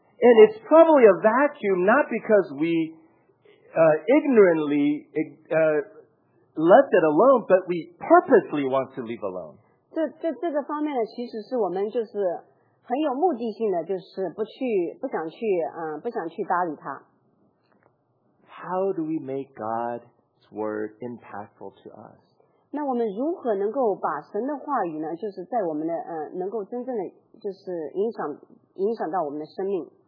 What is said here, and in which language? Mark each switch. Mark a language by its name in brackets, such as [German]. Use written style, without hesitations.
[English] And it's probably a vacuum, not because we ignorantly left it alone, but we purposely want to leave alone. [Chinese] 这个方面呢，其实是我们就是很有目的性的，就是不想去搭理它。 [English] How do we make God's word impactful to us? [Chinese] 那我们如何能够把神的话语呢，就是在我们的能够真正的就是影响到我们的生命？